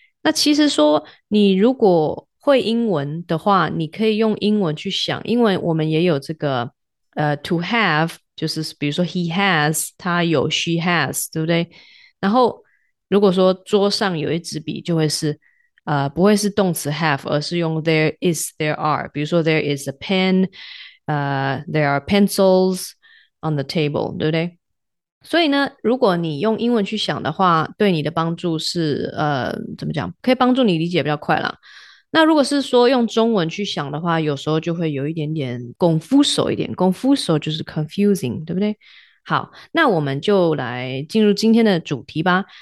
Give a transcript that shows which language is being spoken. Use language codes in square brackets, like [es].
[zh] 那其实说你如果会英文的话，你可以用英文去想，因为我们也有这个 [en] to have， [zh] 就是比如说 [en] he has， [zh] 他有 [en] she has， [zh] 对不对？然后如果说桌上有一支笔，就会是不会是动词 have，而是用 [en] there is there are。 [zh] 比如说 [en] there is a pen，there are pencils on the table， [zh] 对不对？所以呢，如果你用英文去想的话，对你的帮助是怎么讲？可以帮助你理解比较快啦。那如果是说用中文去想的话，有时候就会有一点点 confuso 一点，confuso 就是 confusing，对不对？好，那我们就来进入今天的主题吧。